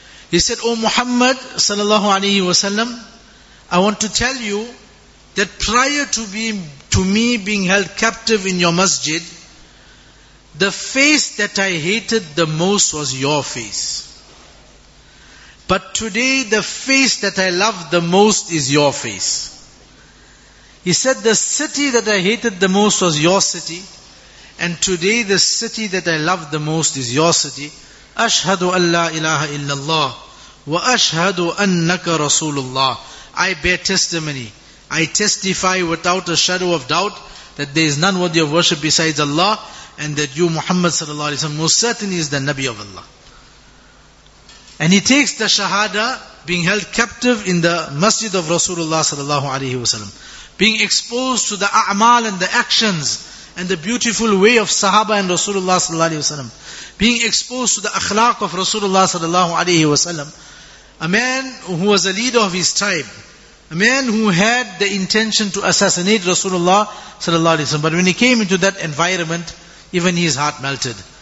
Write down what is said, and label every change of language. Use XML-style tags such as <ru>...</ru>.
<en>He said, O Muhammad sallallahu alayhi wa sallam, I want to tell you that prior to me being held captive in your masjid, the face that I hated the most was your face. But today the face that I love the most is your face. He said, the city that I hated the most was your city, and today the city that I love the most is your city.</en> <ar>أشهد أن لا إله إلا الله وأشهد أنك رسول الله.</ar> <en>I bear testimony. I testify without a shadow of doubt that there is none worthy of worship besides Allah, and that you, Muhammad sallallahu alaihi wasallam, most certainly is the Nabi of Allah. And he takes the shahada, being held captive in the masjid of Rasulullah sallallahu alaihi wasallam, being exposed to the a'mal and the actions and the beautiful way of sahaba and Rasulullah sallallahu alaihi wasallam, being exposed to the akhlaq of Rasulullah sallallahu alaihi wasallam, a man who was a leader of his tribe, a man who had the intention to assassinate Rasulullah sallallahu alaihi wasallam, but when he came into that environment, even his heart melted.</en>